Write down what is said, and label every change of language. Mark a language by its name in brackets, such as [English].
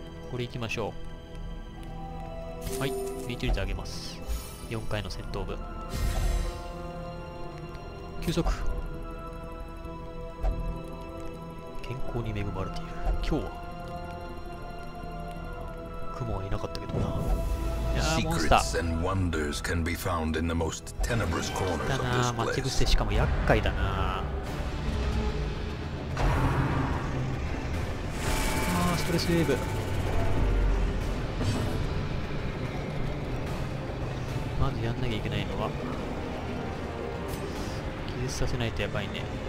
[Japanese] これいきましょう。はい、命中率上げます。 4回の戦闘部休息。健康に恵まれている。今日は雲はいなかったけどな。 [English] Secrets and wonders can be found in the most tenebrous corners of this place. [Japanese] 待ち伏せ、しかも厄介だな。あー、ストレスウェーブ。まずやんなきゃいけないのは気絶させないとやばいね。